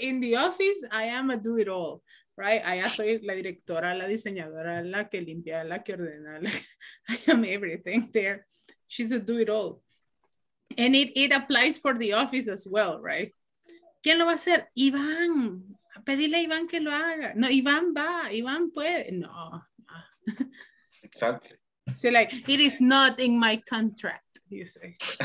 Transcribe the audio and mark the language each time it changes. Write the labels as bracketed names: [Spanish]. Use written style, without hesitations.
[English] In the office, I am a do it all, right? [Spanish] I soy la directora, la diseñadora, la que limpia, la que ordena. [English] I am everything there. She's a do it all, and it applies for the office as well, right? [Spanish] ¿Quién lo va a hacer? Iván. Pedile a Iván que lo haga. No, Iván va. Iván puede. No. [English] Exactly. So like, it is not in my contract, you say.